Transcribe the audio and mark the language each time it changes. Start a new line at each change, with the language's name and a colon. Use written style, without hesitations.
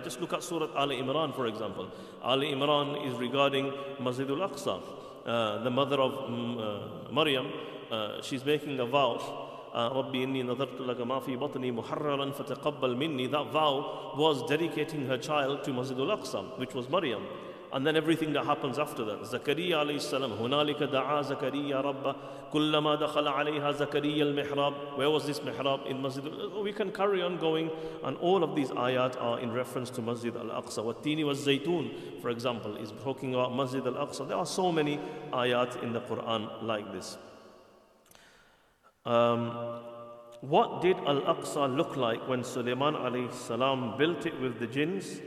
English: Just look at Surah Ali Imran, for example. Ali Imran is regarding Masjid al-Aqsa, the mother of Maryam. She's making a vow,
Arabic: رَبِّ إِنِّي نَذَرْتُ لَكَ مَا فِي بَطْنِي مُحَرَّرًا فَتَقَبَّلْ مِنِّي.
English: That vow was dedicating her child to Masjid al-Aqsa, which was Maryam. And then everything that happens after that.
Arabic: زكريا عليه السلام هنالك دعا زكريا ربا كلما دخل عليها زكريا المحراب.
English: Where was this mihrab? In Masjid. We can carry on going, and all of these ayat are in reference to Masjid al-Aqsa.
Arabic: والتين والزيتون,
English: for example, is talking about Masjid al-Aqsa. There are so many ayat in the Quran like this. What did Al-Aqsa look like when Sulaiman alayhi salam built it with the jinns?